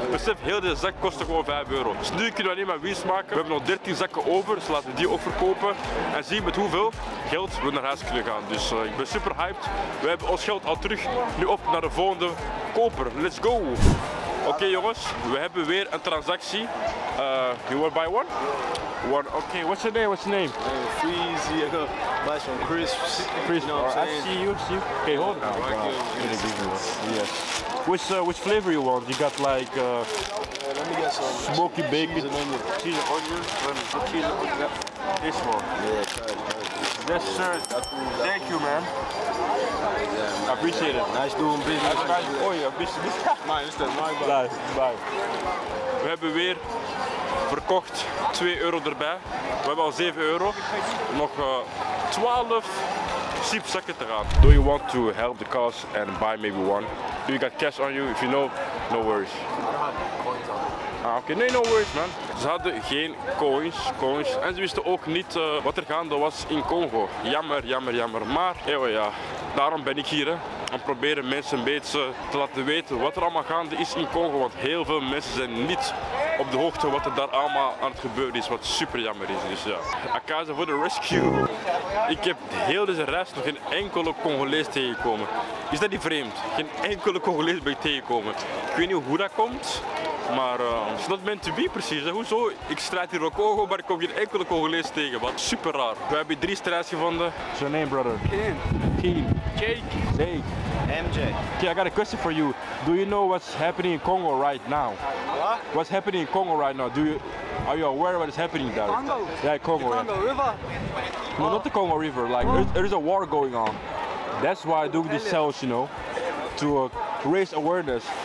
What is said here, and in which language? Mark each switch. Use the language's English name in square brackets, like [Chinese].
[Dutch] Besef, heel de zak kostte gewoon 5 euro. Dus nu kunnen we alleen maar winst maken. We hebben nog 13 zakken over, dus laten we die ook verkopen. En zien met hoeveel geld we naar huis kunnen gaan. Dus ik ben super hyped. We hebben ons geld al terug. Nu op naar de volgende koper. [English] Let's go! [Dutch] Oké, jongens, we hebben weer een transactie. [English] You want to buy one? One. Okay, what's your name? What's your name? Freezy. Buy some crisps. Crisps. You know, right. I see you. Okay, hold on. Yes. Which flavor you want? You got like let me get some smoky bacon, cheese and onion. Cheese and onion. This one. Yeah. Yes, sir. Thank you, man. Yeah, I appreciate it. Nice doing business. Oh yeah, business. My instant. Bye. [Dutch] We hebben weer verkocht 2 euro erbij. We hebben al 7 euro. Nog 12 chipzakken te gaan. [English] Do you want to help the cause and buy maybe one? Do you got cash on you? If you know, no worries. Okay. [Dutch] Nee, [English] no worries, man. [Dutch] Ze hadden geen coins. En ze wisten ook niet wat er gaande was in Congo. Jammer. Maar ja, daarom ben ik hier. Hè. En proberen mensen een beetje te laten weten wat er allemaal gaande is in Congo. Want heel veel mensen zijn niet op de hoogte wat er daar allemaal aan het gebeuren is. Wat super jammer is. Dus ja, Akaza voor de rescue. Ik heb heel deze reis nog geen enkele Congolees tegengekomen. Is dat niet vreemd? Geen enkele Congolees ben ik tegengekomen. Ik weet niet hoe dat komt. Maar [English] is not meant to be [Dutch] precies. Hè? Hoezo? Ik strijd hier ook Congo, maar ik kom hier enkele Congolees tegen. Wat super raar. We hebben hier 3 strijders gevonden. [English] What's your name, brother? Keen. Jake. Jake. MJ. Okay, I got a question for you. Do you know what's happening in Congo right now? What? What's happening in Congo right now? Are you aware of what is happening there? Congo. Yeah, Congo. The Congo River. No, not the Congo River. Like, there is a war going on. That's why I do these sales, you know, to raise awareness.